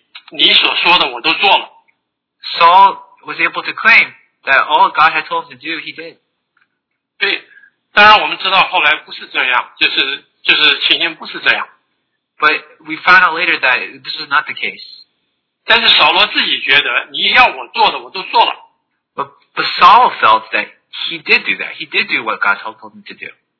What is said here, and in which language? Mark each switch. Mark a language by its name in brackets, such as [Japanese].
[Chinese] 而且呢，他从扫罗的口里说出来，他就是说，就是神啊，你所说的我都做了。Saul [English] was able to claim that all God had told him to do, he did. [Chinese] 对。当然我们知道后来不是这样，就是情形不是这样。 [English] But we found out later that this is not the case. [Chinese] 但是扫罗自己觉得，你要我做的我都做了。 [English] But Saul felt that he did do that. He did do what God told him to do.